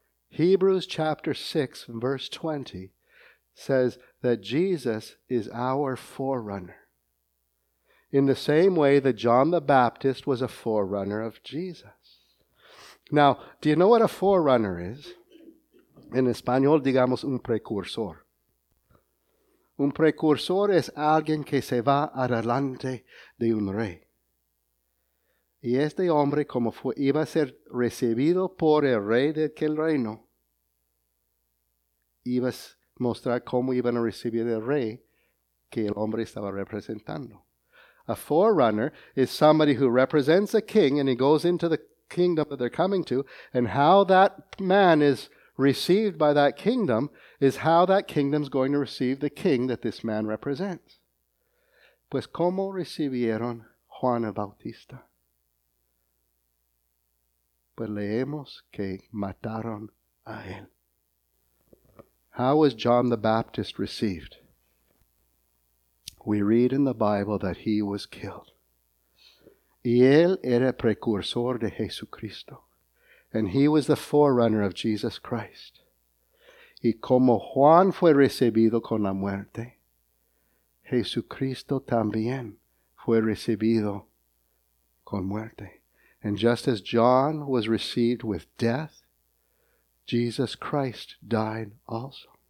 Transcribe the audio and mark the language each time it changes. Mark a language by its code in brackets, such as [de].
[en] Hebrews chapter 6, verse 20 says that Jesus is our forerunner. In the same way that John the Baptist was a forerunner of Jesus. Now, do you know what a forerunner is? [es] En español, digamos un precursor. Un precursor es alguien que se va adelante de un rey. Y este hombre, como fue, iba a ser recibido por el rey de aquel reino, iba a mostrar cómo iban a recibir el rey que el hombre estaba representando. [en] A forerunner is somebody who represents a king and he goes into the kingdom that they're coming to, and how that man is received by that kingdom is how that kingdom's going to receive the king that this man represents. [es] Pues, ¿cómo recibieron Juan el Bautista? Pues, leemos que mataron a él. [en] How was John the Baptist received? We read in the Bible that he was killed. [es] Y él era precursor de Jesucristo. [en] And he was the forerunner of Jesus Christ. [es] Y como Juan fue recibido con la muerte, Jesucristo también fue recibido con muerte. [en] And just as John was received with death, Jesus Christ died also.